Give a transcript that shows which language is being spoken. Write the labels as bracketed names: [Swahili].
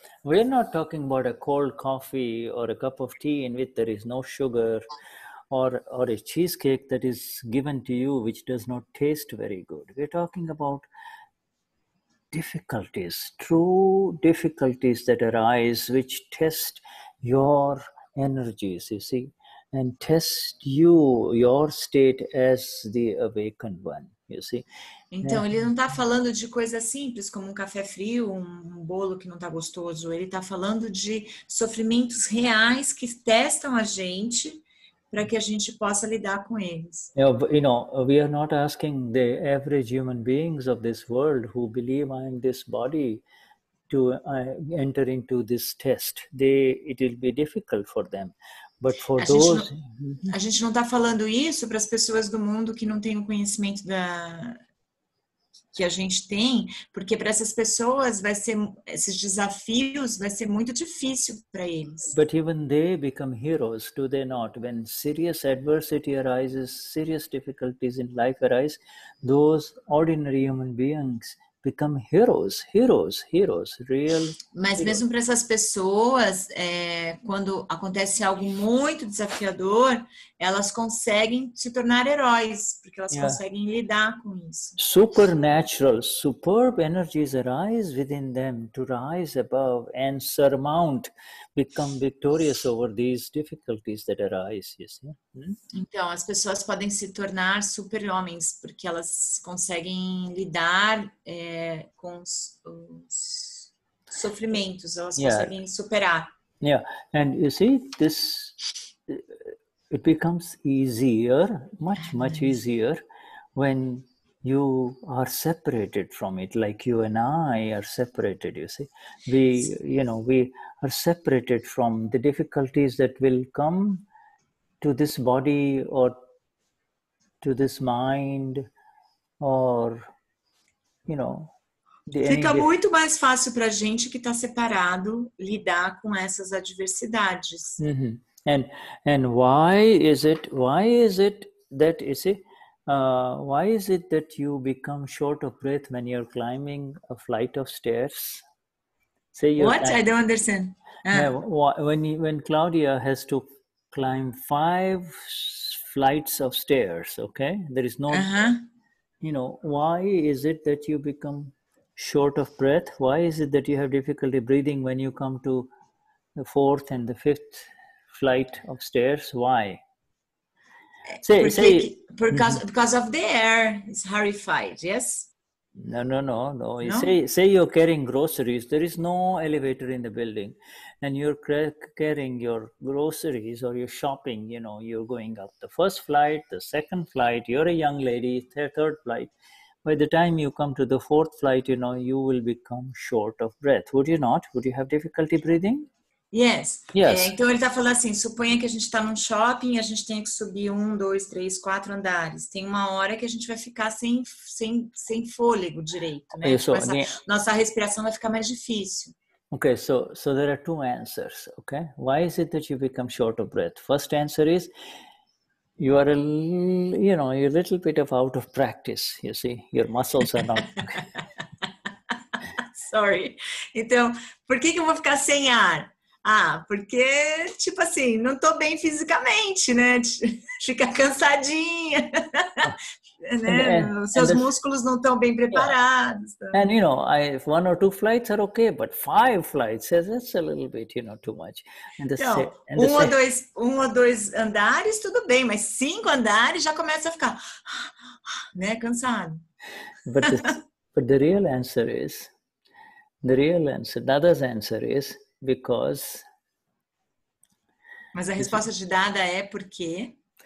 [English] We're not talking about a cold coffee or a cup of tea in which there is no sugar or a cheesecake that is given to you which does not taste very good. We're talking about difficulties, true difficulties that arise, which test your energies, you see, and test you, your state as the awakened one, you see. [Portuguese] Então, ele não está falando de coisas simples, como um café frio, um bolo que não está gostoso. Ele está falando de sofrimentos reais que testam a gente para que a gente possa lidar com eles. [English] You know, we are not asking the average human beings of this world who believe I am this body to enter into this test. It will be difficult for them. But for those... [Portuguese] A gente não está falando isso para as pessoas do mundo que não têm o conhecimento da... que a gente tem, porque para essas pessoas vai ser esses desafios vai ser muito difícil para eles. [English] But even they become heroes, do they not? When serious adversity arises, serious difficulties in life arise, those ordinary human beings become heroes, real. [Portuguese] Mas [English] heroes. [Portuguese] Mesmo para essas pessoas, quando acontece algo muito desafiador, elas conseguem se tornar heróis, porque elas conseguem lidar com isso. [English] Supernatural, superb energies arise within them to rise above and surmount. become victorious over these difficulties that arise, you see. [Portuguese] Então, as pessoas podem se tornar super-homens porque elas conseguem lidar com os sofrimentos, elas conseguem superar. [English] Yeah, and you see, this, it becomes easier, much, much easier when you are separated from it, like you and I are separated, you see. We, you know, we are separated from the difficulties that will come to this body or to this mind or, you know. [Portuguese] Fica muito mais fácil para a gente que está separado lidar com essas adversidades. Uh-huh. [English] And why is it that you become short of breath when you're climbing a flight of stairs? Say you're what? I don't understand. When Claudia has to climb 5 flights of stairs, okay? There is no, you know, why is it that you become short of breath? Why is it that you have difficulty breathing when you come to the 4th and the 5th flight of stairs? Why? Because of the air, it's horrified, yes? No. Say you're carrying groceries. There is no elevator in the building. And you're carrying your groceries or your shopping, you know, you're going up the first flight, the second flight, you're a young lady, third flight. By the time you come to the 4th flight, you know, you will become short of breath. Would you not? Would you have difficulty breathing? Yes. Yes. [Portuguese] Então ele está falando assim, suponha que a gente está num shopping e a gente tem que subir 1, 2, 3, 4 andares. Tem uma hora que a gente vai ficar sem fôlego direito, né? Isso. Tipo, nossa respiração vai ficar mais difícil. [English] Okay, so there are 2 answers, okay? Why is it that you become short of breath? First answer is, you are a little bit of out of practice, you see. Your muscles are not... Sorry. [Portuguese] Então, por que que eu vou ficar sem ar? Ah, porque, tipo assim, não tô bem fisicamente, né? Fica cansadinha, né? Seus músculos não estão bem preparados. [English] Yeah. And, you know, one or two flights are okay, but 5 flights, that's a little bit, you know, too much. [Portuguese] Um ou dois andares, tudo bem, mas 5 andares já começa a ficar, né, cansado. [English] But the real answer is, Dada's answer is, because. [Portuguese] Mas a resposta de Dada é por quê?